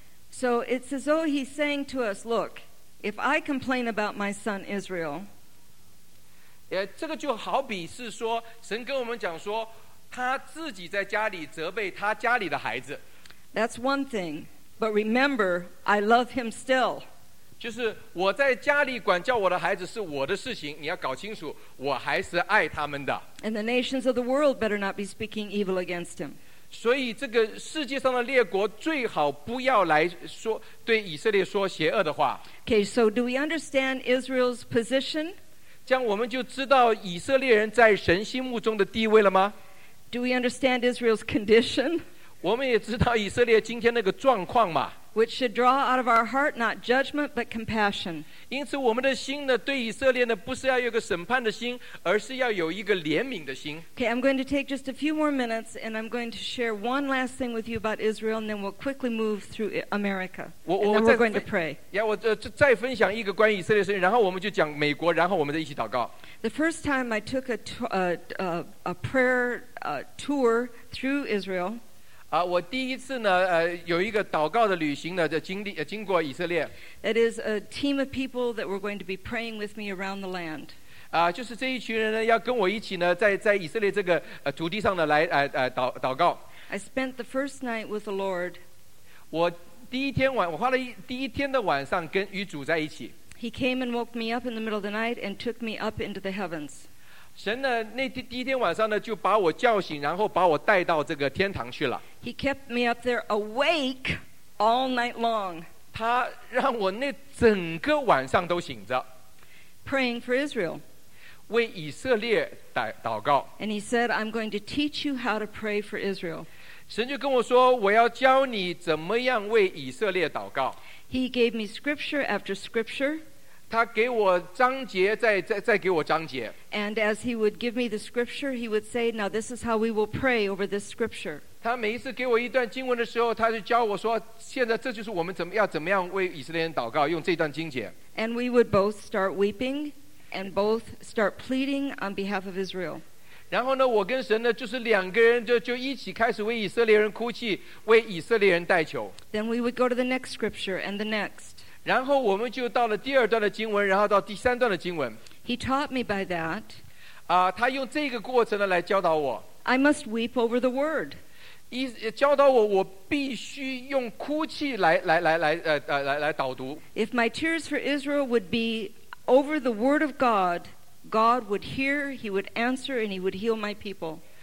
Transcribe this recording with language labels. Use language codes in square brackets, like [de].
[en] So it's as though he's saying to us, look, if I complain about my son Israel, [zh] 这个就好比是说神跟我们讲说，他自己在家里责备他家里的孩子。 [en] That's one thing. But remember, I love him still. [zh] 就是我在家里管教我的孩子是我的事情，你要搞清楚，我还是爱他们的。 [en] And the nations of the world better not be speaking evil against him. [zh] 所以这个世界上的列国最好不要来说对以色列说邪恶的话。 [en] Okay, so do we understand Israel's position? [zh] 这样我们就知道以色列人在神心目中的地位了吗？ [en] Do we understand Israel's condition? [zh] 我们也知道以色列今天那个状况嘛。 [en] Which should draw out of our heart not judgment but compassion. [zh] 因此我们的心呢，对以色列呢，不是要有个审判的心，而是要有一个怜悯的心。 [en] Okay, I'm going to take just a few more minutes, and I'm going to share one last thing with you about Israel, and then we'll quickly move through America. And then we're going to pray. [zh] Yeah, 我再分享一个关于以色列的事情，然后我们就讲美国，然后我们再一起祷告。 [en] The first time I took a prayer tour through Israel. [zh] 我第一次呢有一个祷告的旅行呢就经过以色列。 [en] It is a team of people that were going to be praying with me around the land. [zh] 就是这一群人呢要跟我一起呢在以色列这个土地上呢来祷告。 [en] I spent the first night with the Lord. [zh] 我第一天晚我花了第一天的晚上跟与主在一起。 [en] He came and woke me up in the middle of the night and took me up into the heavens. [zh] 神呢那第一天晚上呢就把我叫醒然后把我带到这个天堂去了 [en] He kept me up there awake all night long [zh] 他让我那整个晚上都醒着 [en] Praying for Israel [zh] 为以色列祷告 [en] And he said I'm going to teach you how to pray for Israel [zh] 神就跟我说我要教你怎么样为以色列祷告 [en] He gave me scripture after scripture [zh] 他给我章节再给我章节 [en] And as he would give me the scripture He would say Now this is how we will pray over this scripture [zh] 他每一次给我一段经文的时候他就教我说现在这就是我们怎么样为以色列人祷告用这段经节 [en] And we would both start weeping And both start pleading on behalf of Israel [zh] 然后呢我跟神呢就是两个人就一起开始为以色列人哭泣为以色列人代求 [en] Then we would go to the next scripture and the next [zh] 然后我们就到了第二段的经文然后到第三段的经文 [en] He taught me by that [zh] 他用这个过程呢来教导我 [en] I must weep over the word [zh] 教导我我必须用哭泣来导读 [en] If my tears for Israel would be over the word of God God would hear, he would answer and he would heal my people